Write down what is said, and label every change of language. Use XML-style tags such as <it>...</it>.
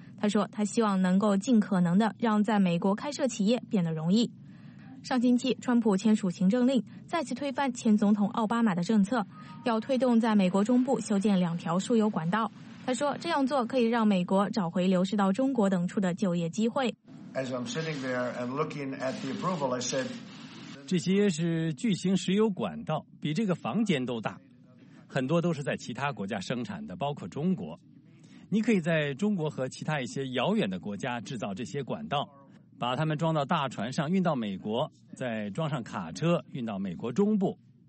<zh>他说，他希望能够尽可能的让在美国开设企业变得容易。上星期，川普签署行政令，再次推翻前总统奥巴马的政策，要推动在美国中部修建两条输油管道。他说，这样做可以让美国找回流失到中国等处的就业机会。</zh> <en>As I'm sitting there and looking at the approval, I said,</en> <zh>这些是巨型石油管道，比这个房间都大，很多都是在其他国家生产的，包括中国。你可以在中国和其他一些遥远的国家制造这些管道，把它们装到大船上运到美国，再装上卡车运到美国中部。</zh>